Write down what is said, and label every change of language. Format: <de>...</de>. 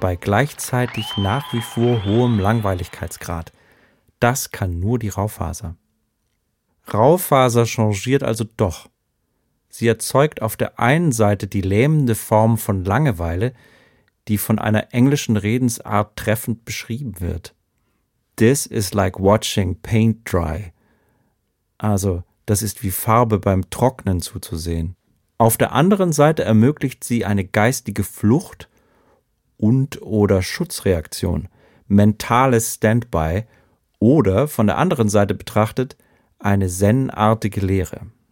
<de>Bei gleichzeitig nach wie vor hohem Langweiligkeitsgrad. Das kann nur die Rauffaser. Rauffaser changiert also doch. Sie erzeugt auf der einen Seite die lähmende Form von Langeweile, die von einer englischen Redensart treffend beschrieben wird.</de> <en>This is like watching paint dry.</en> <de>Also, das ist wie Farbe beim Trocknen zuzusehen. Auf der anderen Seite ermöglicht sie eine geistige Flucht und oder Schutzreaktion, mentales Standby oder, von der anderen Seite betrachtet, eine zen-artige Leere.</de>